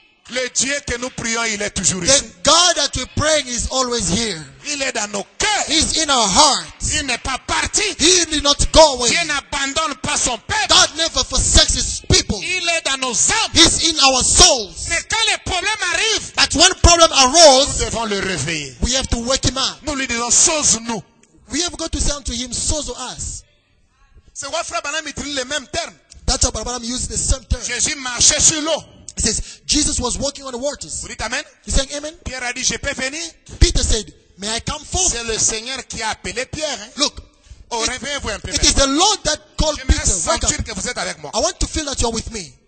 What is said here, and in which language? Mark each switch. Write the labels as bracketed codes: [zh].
[fr] Le Dieu que nous prions, il est toujours [en] the [fr] ici. [en] The God that we pray is always here. [fr] Il est dans nos cœurs. [en] He's in our hearts. [fr] Il n'est pas parti. [en] He did not go away. [fr] Dieu n'abandonne pas son peuple. [en] God never forsakes his people. [fr] Il est dans nos âmes. [en] He's in our souls. [fr] Mais quand les problèmes arrivent, [en] but when problem arose, [fr] nous devons le réveiller. [en] We have to wake him up. [fr] Nous lui disons sozo nous. [en] We have got to say unto him, sozo us. [fr] C'est quoi Frère Branham utilise le même terme? [en] That's why Frère Branham used the same term. [fr] Jésus marchait sur l'eau. [en] He says Jesus was walking on the waters. [fr] Vous dites amen? [en] He's saying amen. [fr] Pierre a dit, je peux venir? [en] Peter said, may I come forth? [fr] C'est le Seigneur qui a appelé Pierre. Hein? [en] Look. [fr] Oh, réveillez-vous un peu. [en] It is the Lord that called Peter. Wake up. [fr] Que vous êtes avec moi. [en] I want to feel that you are with me.